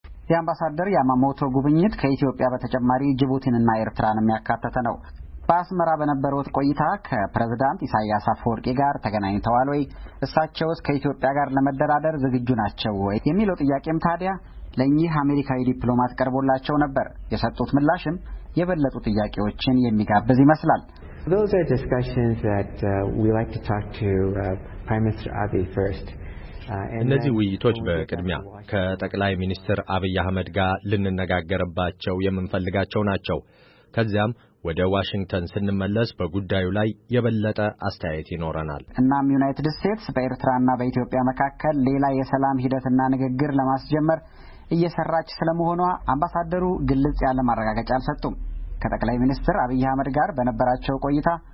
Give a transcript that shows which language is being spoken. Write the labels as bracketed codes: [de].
[am] የአምባሳደር ያማሞቶ ጉብኝት ከኢትዮጵያ በተጨማሪ ጅቡቲንና ኤርትራንም ያካተተ ነው። ባስመራ በነበረው ቆይታ ከፕሬዝዳንት ኢሳያስ አፈወርቂ ጋር ተገናኝተዋል ወይ? እሳቸውስ ከኢትዮጵያ ጋር ለመደራደር ዝግጁ ናቸው ወይ የሚለው ጥያቄም ታዲያ ለኚህ አሜሪካዊ ዲፕሎማት ቀርቦላቸው ነበር። የሰጡት ምላሽም የበለጡ ጥያቄዎችን የሚጋብዝ ይመስላል። [en] Those are discussions that we like to talk to Prime Minister Abe first. [am] እነዚህ ውይይቶች በቅድሚያ ከጠቅላይ ሚኒስትር አብይ አህመድ ጋር ልንነጋገርባቸው የምንፈልጋቸው ናቸው። ከዚያም ወደ ዋሽንግተን ስንመለስ በጉዳዩ ላይ የበለጠ አስተያየት ይኖረናል። እናም ዩናይትድ ስቴትስ በኤርትራና በኢትዮጵያ መካከል ሌላ የሰላም ሂደትና ንግግር ለማስጀመር እየሰራች ስለመሆኗ አምባሳደሩ ግልጽ ያለ ማረጋጋጫ አልሰጡም። ከጠቅላይ ሚኒስትር አብይ አህመድ ጋር በነበራቸው ቆይታ